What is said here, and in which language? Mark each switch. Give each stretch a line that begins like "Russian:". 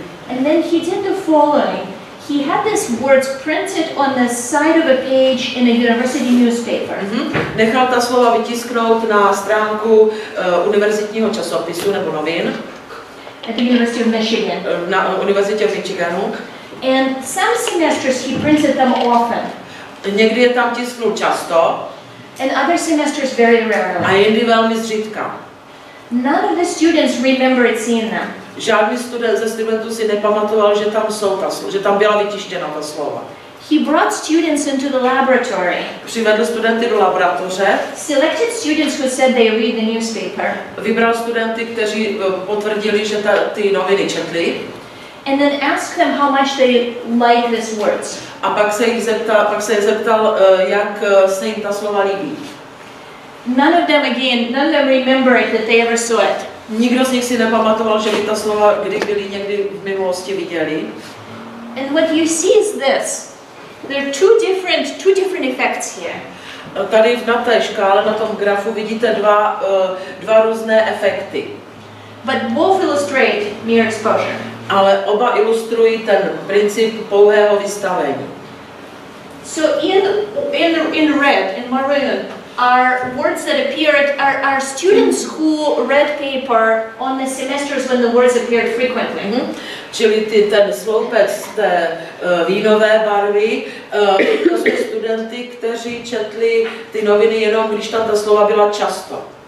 English: And then he did the following. He had these words printed on the side of a page in a university newspaper.
Czech: Nechal ta slova vytisknout na stránku univerzitního časopisu nebo novin.
English: At the University of Michigan.
Czech: Na univerzitě v Michiganu.
English: And some semesters he printed them often.
Czech: Někdy je tam tisknul často.
English: And other semesters very rarely.
Czech: A jindy velmi zřídka.
English: None of the students remembered seeing them.
Czech: Žádný student ze studentů si nepamatoval, že tam jsou ta slova, že tam byla vytištěna ta slova.
English: He brought students into the laboratory.
Czech: Přivedl studenty do laboratoře.
English: Selected students who said they read the newspaper.
Czech: Vybral studenty, kteří potvrdili, že ty noviny četli.
English: And then asked them how much they liked these words.
Czech: A pak se jich zeptal, jak se jim ta slova líbí.
English: None of them remembered that they ever saw it.
Czech: Nikdo z nich si nepamatoval, že by ta slova kdy byli někdy v minulosti viděli.
English: And what you see is this. There are two different effects here.
Czech: Tady na té škále, na tom grafu vidíte dva různé efekty.
English: But both illustrate mere exposure.
Czech: Ale oba ilustrují ten princip pouhého vystavení.
English: So in red, in maroon, are words that appear are students who read paper on the semesters when the words appeared frequently.
Czech: Čili ten sloupec té vínové barvy, to jsou studenti, kteří četli ty noviny jenom, když tam ta slova byla často.